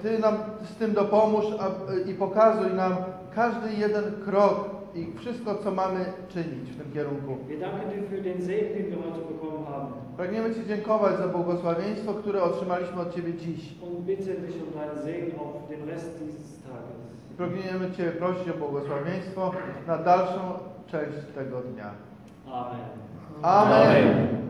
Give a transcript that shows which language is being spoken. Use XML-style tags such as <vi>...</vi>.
<pl>Ty nam z tym dopomóż i pokazuj nam każdy jeden krok i wszystko, co mamy czynić w tym kierunku.</pl> <de>Wir danken dir für den Segen, den wir heute bekommen haben.</de> <pl>Pragniemy Ci dziękować za błogosławieństwo, które otrzymaliśmy od Ciebie dziś.</pl> <de>Und bitte dich um deinen Segen auf den Rest dieses Tages.</de> <pl>I pragniemy Cię prosić o błogosławieństwo na dalszą część tego dnia.</pl> <de>Amen.</de> <pl>Amen.</pl>